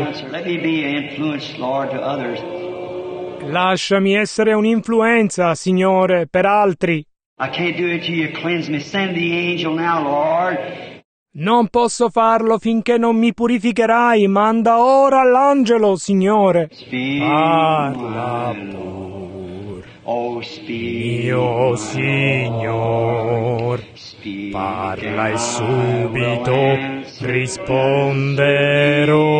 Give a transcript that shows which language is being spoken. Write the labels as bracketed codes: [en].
[en] Let me be an influence, Lord, to others. [it] Lasciami essere un'influenza, Signore, per altri. [en] I can't do it to you, cleanse me, send the angel now, Lord. [it] Non posso farlo finché non mi purificherai. Manda ora l'angelo, Signore. Parla pur, oh, mio Signore. Parla e subito risponderò.